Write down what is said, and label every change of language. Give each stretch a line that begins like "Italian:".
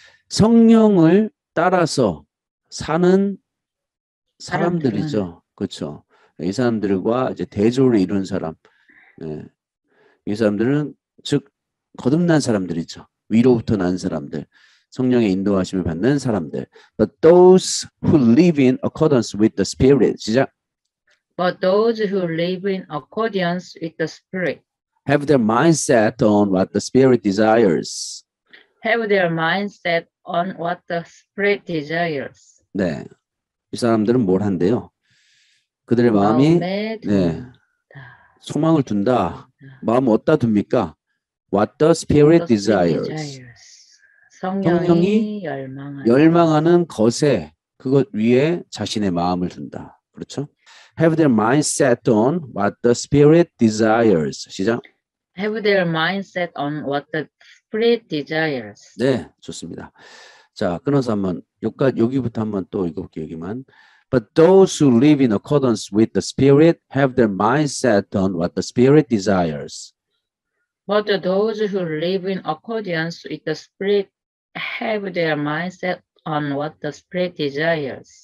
Korean: 성령을 따라서 사는 사람들이죠. 그렇죠? 이 사람들과 이제 대조를 이루는 사람. 네. 이 사람들은 즉 거듭난 사람들이죠. 위로부터 난 사람들. 성령의 인도하심을 받는 사람들.
English: But those who live in accordance with the Spirit.
Korean: 시작.
English: But those who live in accordance with the Spirit. Have their mindset on what the Spirit desires. Have their mindset on what the Spirit desires.
Korean: 네. 이 사람들은 뭘 한대요? 그들의 마음이 네. 소망을 둔다. 마음을 어디다 둡니까?
English: What the Spirit desires.
Korean: 성령이 열망하는 것에 그것 위에 자신의 마음을 둔다. 그렇죠?
English: Have their mind set on what the Spirit desires.
Korean: 시작.
English: Have their mind set on what the Spirit desires.
Korean: 네, 좋습니다. 자, 끊어서 한번 여기부터 한번 또 읽어볼게요. 여기만.
English: But those who live in accordance with the Spirit have their mind set on what the Spirit desires. But those who live in accordance with the Spirit have their mindset on what the Spirit desires.